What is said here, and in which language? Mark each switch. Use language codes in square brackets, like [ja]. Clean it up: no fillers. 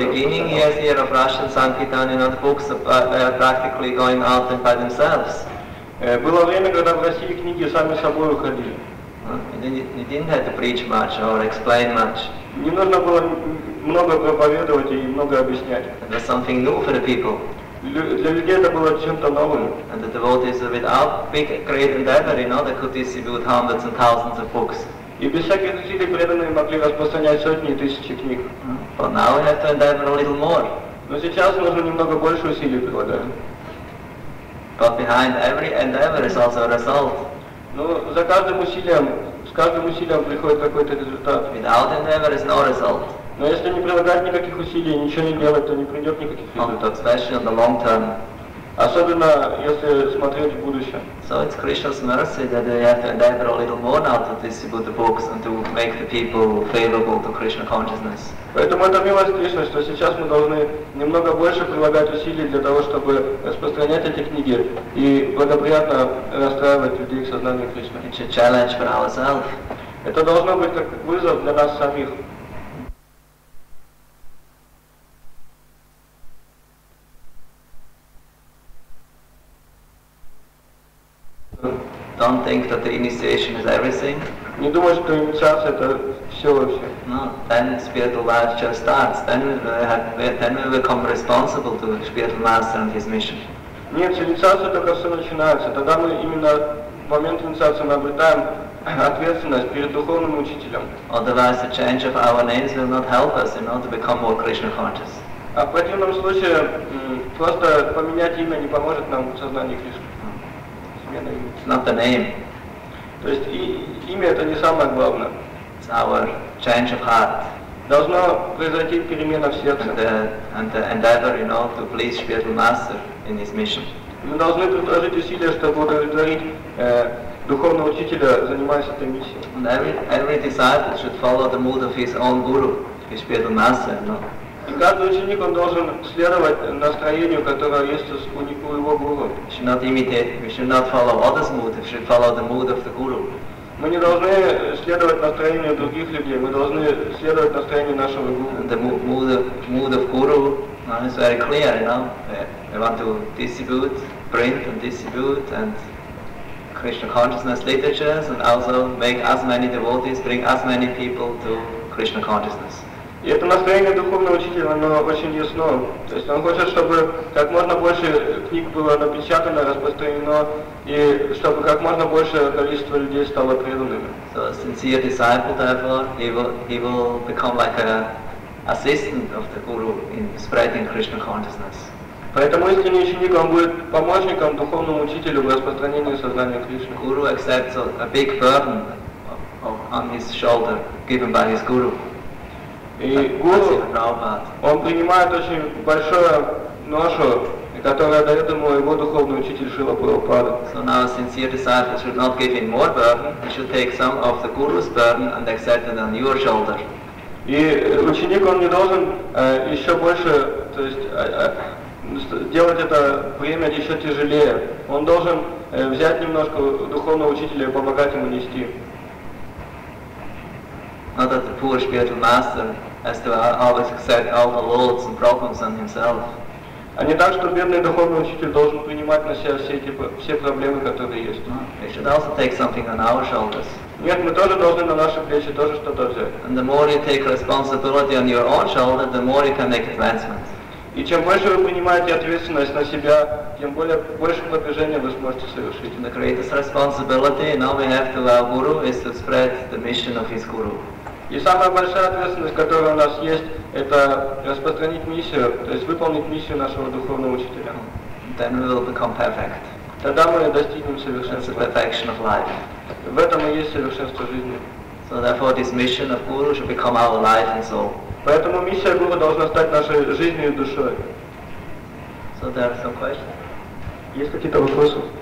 [en] The beginning years here of Russian Sankirtan, you know, the books are practically going out and by themselves. [ru] Было время, когда в России книги сами собой уходили. [en] You didn't have to preach much or explain much. [ru] Не нужно было много проповедовать и много объяснять. [en] It was something new for the people. [ru] Для людей это было чем-то новым. [en] And the devotees without big great endeavor, you know, they could distribute hundreds and thousands of books. [ru] И без всяких усилий преданные могли распространять сотни и тысячи книг. [en] But now we have to endeavor a little more. [ru] Но сейчас нужно немного больше усилий прилагать. [en] But behind every endeavor is also a result. [ru] Ну, за каждым усилием, с каждым усилием приходит какой-то результат. [en] Without endeavor is no result. [ru] Но если не прилагать никаких усилий, ничего не делать, то не придет никаких результатов. [en] Especially in the long term. [ru] Особенно если смотреть в будущее. [en] So it's Krishna's mercy that we have to endeavor a little more now to distribute the books and to make the people favorable to Krishna consciousness. [ru] Поэтому это милость Кришны, что сейчас мы должны немного больше прилагать усилий для того, чтобы распространять эти книги и благоприятно настраивать людей к сознанию Кришны. [en] It's a challenge for ourselves. [ru] Это должно быть как вызов для нас самих. [en] Don't think that the initiation is everything. [ru] Не думай, что инициация это все вообще. [en] No, then spiritual life just starts. Then we become responsible to the spiritual master and his mission. [ru] Нет, инициация только все начинается. Тогда мы именно в момент инициации мы обретаем ответственность перед духовным учителем. [en] Otherwise, the change of our names will not help us, you know, to become more Krishna conscious. [ru] А в противном случае просто поменять имя не поможет нам в сознании Кришны. [en] It's not the name. [ru] То есть имя это не самое главное. [en] It's our change of heart. [ru] Должно произойти перемена в сердце. [en] And the endeavor, you know, to please spiritual master in his mission. [ru] Мы должны предложить усилия, чтобы удовлетворить духовного учителя, занимаясь этой миссией. [en] And every disciple should follow the mood of his own guru, his spiritual master, you know. [ru] И каждый ученик он должен следовать настроению, которое есть у его гуру. [en] We should not imitate. We should not follow others' mood. We should follow the mood of the guru. [ru] Мы не должны следовать настроению других людей. Мы должны следовать настроению нашего гуру. [en] And the mood of guru is very clear, you know. We want to distribute, print and distribute and Krishna consciousness literatures and also make as many devotees, bring as many people to Krishna consciousness. [ru] И это настроение духовного учителя, оно очень ясно. То есть он хочет, чтобы как можно больше книг было напечатано, распространено, и чтобы как можно больше количество людей стало преданными. [en] So a sincere disciple, therefore, he will become like an assistant of the guru in spreading Krishna consciousness. [ru] Поэтому искренний ученик, он будет помощником духовному учителю в распространении сознания Кришны. [en] Guru accepts a big burden on his shoulder, given by his guru. [ru] И гуру, он принимает очень большую ношу, которая дает ему его духовный учитель Шрила Прабхупада. [en] So now a sincere disciple should not give him more burden, he should take some of the guru's burden and accept it on your shoulder. [ru] И ученик, он не должен еще больше, то есть делать это время еще тяжелее. Он должен взять немножко духовного учителя и помогать ему нести. [en] Not that the poor spiritual master has to always accept all the loads and problems on himself. [ru] А не так, что бедный духовный учитель должен принимать на себя все эти все проблемы, которые есть. [en] No, we should also take something on our shoulders. [ru] Нет, мы тоже должны на наши плечи тоже что-то взять. [en] And the more you take responsibility on your own shoulder, the more you can make advancements. [ru] И чем больше вы принимаете ответственность на себя, тем больше продвижения вы сможете совершить. [en] The greatest responsibility now we have to our guru is to spread the mission of his guru. [ru] И самая большая ответственность, которая у нас есть, это распространить миссию, то есть выполнить миссию нашего духовного учителя. [en] Then we will become perfect. [ru] Тогда мы достигнем совершенства. [en] That's the perfection of life. [ru] В этом и есть совершенство жизни. [en] So therefore this mission of Guru should become our life and soul. [ru] Поэтому миссия Гуру должна стать нашей жизнью и душой. [en] So there are some questions. [ru] Есть какие-то вопросы?